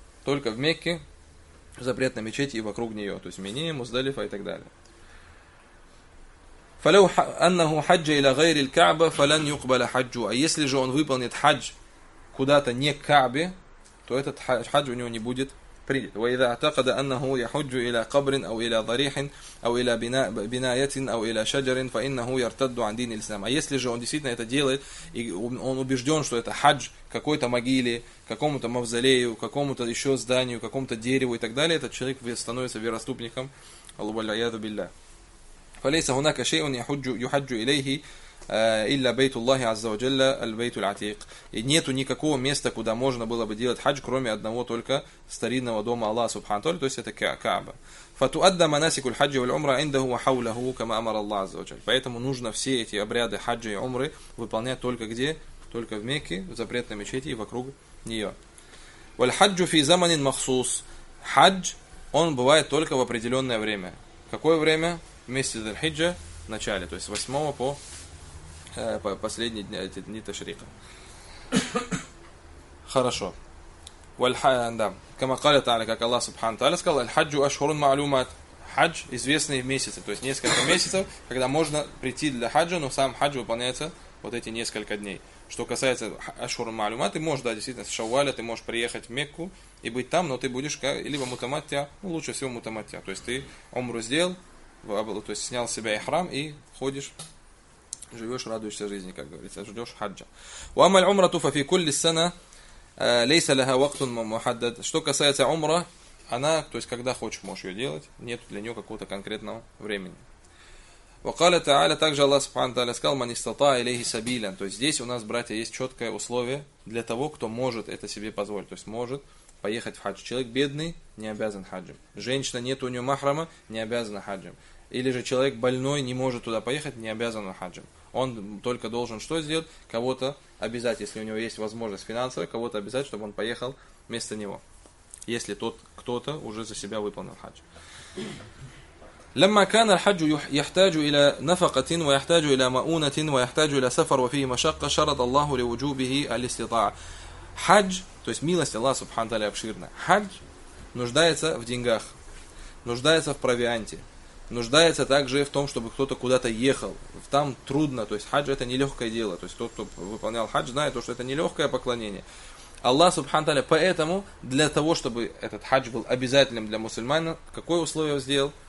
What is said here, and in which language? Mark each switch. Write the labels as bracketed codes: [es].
[ru] Только в Мекке, в запретной мечети и вокруг нее, то есть в Мине, Муздалифа и так далее. [ar] Фалау аннаху хаджа иля гайри аль-Кааба фалан юкбала хаджу. [ru] А если же он выполнит хадж куда-то не к Каабе, то этот хадж у него не будет принят. [ar] وإذا اعتقد أنه يحج إلى قبر أو إلى ضريح أو إلى بناية أو إلى شجر فإنه يرتد عن دين الإسلام. [ru] А если же он действительно это делает, и он убежден, что это хадж какой-то могиле, какому-то мавзолею, какому-то еще зданию, какому-то дереву и так далее, этот человек становится вероступником. [ar] Аллаху биллях. فليس هناك شيء يحج إليه إلا بيت الله عز وجل البيت العتيق. [ru] И нету никакого места, куда можно было бы делать хадж, кроме одного только старинного дома Аллаха Субхану Тааля, то есть это Кааба. [ar] فتؤدى مناسك الحج والعمرة عنده وحوله كما أمر الله عز وجل. [ru] Поэтому нужно все эти обряды хаджа и умры выполнять только где? Только в Мекке, в запретной мечети и вокруг нее. [ar] والحج في زمن مخصوص. [ru] Хадж он бывает только в определенное время. Какое время? Месяц аль-хиджа в начале, то есть 8 по последние дни ташрика. Хорошо. Как Аллах Субхану Тааля сказал, [ar] аль-хаджу ашхурун маалюмат. [ru] Хадж известные месяцы, то есть несколько месяцев, когда можно прийти для хаджа, но сам хадж выполняется вот эти несколько дней. Что касается ашхурун маалюмат, ты можешь, да, действительно, с Шаваля ты можешь приехать в Мекку и быть там, но ты будешь как, либо мутаматтиа, ну, лучше всего мутаматтиа. То есть ты умру сделал, то есть снял с себя ихрам и ходишь, живешь, радуешься жизни, как говорится, ждешь хаджа. [ar] وَأَمَّا الْعُمْرَةُ فَفِي كُلِّ السَّنَةِ لَيْسَ لَهَا وَقْتٌ مُحَدَّدٌ. [ru] Что касается умра, она, то есть, когда хочешь, можешь ее делать, нет для нее какого-то конкретного времени. [ar] وَقَالَ تَعَالَى, [ru] также Аллах Субхану Тааля сказал, [ar] مَنْ إِسْتَطَعَ إِلَيْهِ سَبِيلًا. [ru] То есть, здесь у нас, братья, есть четкое условие для того, кто может это себе позволить, то есть, может поехать в хадж. Человек бедный, не обязан хаджем. Женщина, нет у нее махрама, не обязана хаджем. Или же человек больной, не может туда поехать, не обязан хаджем. Он только должен что сделать? Кого-то обязать, если у него есть возможность финансовая, кого-то обязать, чтобы он поехал вместо него. Если тот кто-то уже за себя выполнил хадж. [ar] لما كان الحج يحتاج إلى نفقة ويحتاج إلى مؤونة ويحتاج إلى سفر وفيه مشقة شرط الله لوجوبه الاستطاعة. [ru] Хадж, то есть милость Аллаха Субхану Тааля обширна. Хадж нуждается в деньгах, нуждается в провианте. нуждается также в том, чтобы кто-то куда-то ехал. Там трудно, то есть хадж это нелегкое дело. То есть тот, кто выполнял хадж, знает, что это нелегкое поклонение. Аллах субхану тааля поэтому для того, чтобы этот хадж был обязательным для мусульманина, какое условие сделал?